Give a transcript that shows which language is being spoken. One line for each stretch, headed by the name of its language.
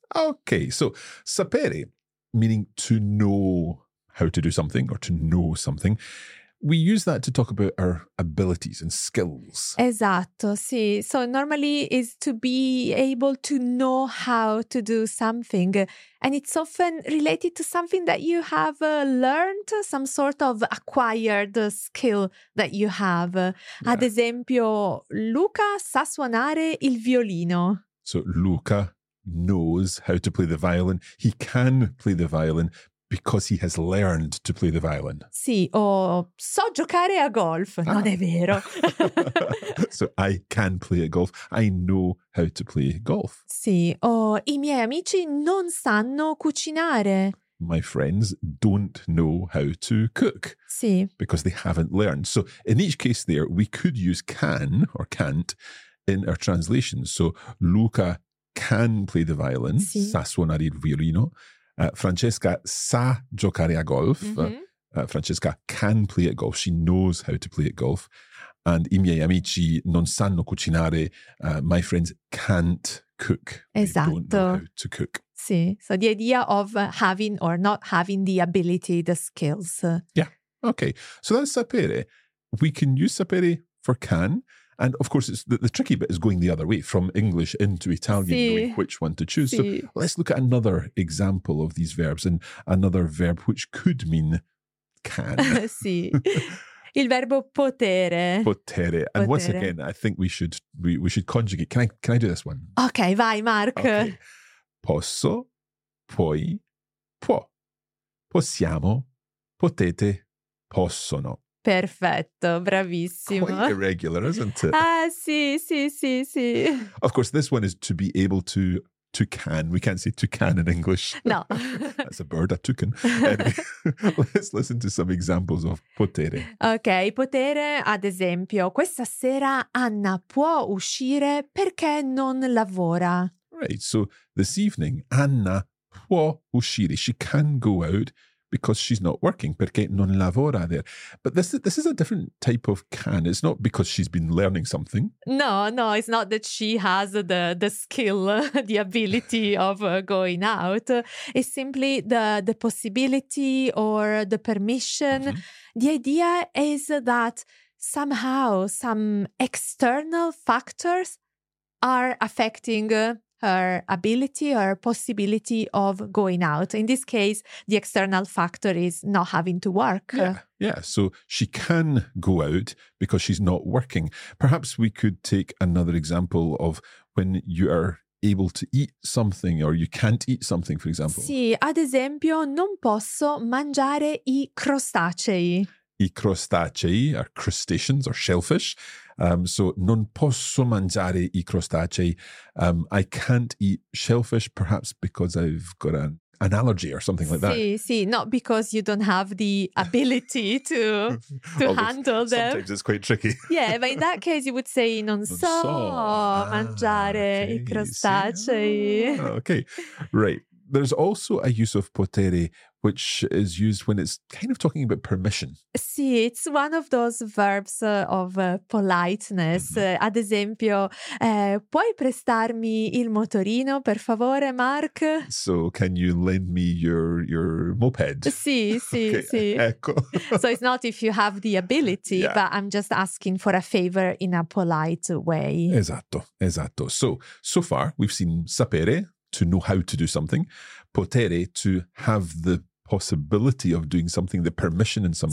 English: Okay, so sapere, meaning to know how to do something or to know something, we use that to talk about our abilities and skills.
Italian: Esatto, sì.
English: So normally is to be able to know how to do something. And it's often related to something that you have learned, some sort of acquired skill that you have. Yeah.
Italian: Ad esempio, Luca sa suonare il violino.
English: So Luca knows how to play the violin. He can play the violin because he has learned to play the violin.
Italian: Sì, o so giocare a golf. Ah. Non è vero.
English: So I can play a golf. I know how to play golf.
Italian: Sì, o i miei amici non sanno cucinare.
English: My friends don't know how to cook.
Italian: Sì.
English: Because they haven't learned. So in each case there, we could use can or can't in our translation. So Luca can play the violin.
Italian: Sì. Sa suonare il violino. Francesca sa giocare a golf. Mm-hmm.
English: Francesca can play at golf. She knows how to play at golf.
Italian: And i miei amici non sanno cucinare.
English: My friends can't cook.
Italian: Esatto.
English: They don't know how to cook.
Italian: Sì.
English: So the idea of having or not having the ability, the skills. Yeah. Okay. So that's sapere. We can use sapere for can. And of course, it's the tricky bit is going the other way, from English into Italian,
Italian: sì.
English: Knowing which one to choose.
Italian: Sì.
English: So let's look at another example of these verbs and another verb which could mean can.
Italian: Sì. Il verbo potere.
English: Potere. And potere. Once again, I think we should conjugate. Can I do this one?
Italian: Okay, vai, Mark. Okay. Posso, puoi, può. Possiamo, potete, possono. Perfetto, bravissimo.
English: Quite irregular, isn't it?
Italian: Ah, sì, sì, sì, sì.
English: Of course, this one is to be able to can. We can't say to can in English. No. That's a bird, a toucan. Anyway, let's listen to some examples of potere.
Italian: Ok, potere, ad esempio, questa sera Anna può uscire perché non lavora.
English: Right, so this evening Anna
Italian: può uscire.
English: She can go out. Because she's not working,
Italian: perché non lavora
English: there. But this is a different type of can. It's not because she's been learning something. No, no, it's not that she has the skill, the ability of going out. It's simply the possibility or the permission. Mm-hmm. The idea is that somehow some external factors are affecting her ability or possibility of going out. In this case, the external factor is not having to work. Yeah, so she can go out because she's not working. Perhaps we could take another example of when you are able to eat something or you can't eat something, for example.
Italian: Sì, ad esempio, non posso mangiare i crostacei.
English: I crostacei are crustaceans or shellfish.
Italian: So non posso mangiare i crostacei.
English: I can't eat shellfish perhaps because I've got an allergy or something like that. Sì, sì, not because you don't have the ability to handle them. Sometimes it's quite tricky. Yeah, but in that case you would say
Italian: non so mangiare I crostacei.
English: Okay, right. There's also a use of potere, which is used when it's kind of talking about permission. Sì, it's one of those verbs of politeness. Mm-hmm.
Italian: Ad esempio, puoi prestarmi il motorino, per favore, Mark?
English: So, can you lend me your moped?
Italian: Sì, sì,
English: okay,
Italian: sì. Ecco.
English: So, it's not if you have the ability, yeah. But I'm just asking for a favor in a polite way.
Italian: Esatto, esatto.
English: So far, we've seen sapere. To know how to do something, potere, to have the possibility of doing something, the permission in some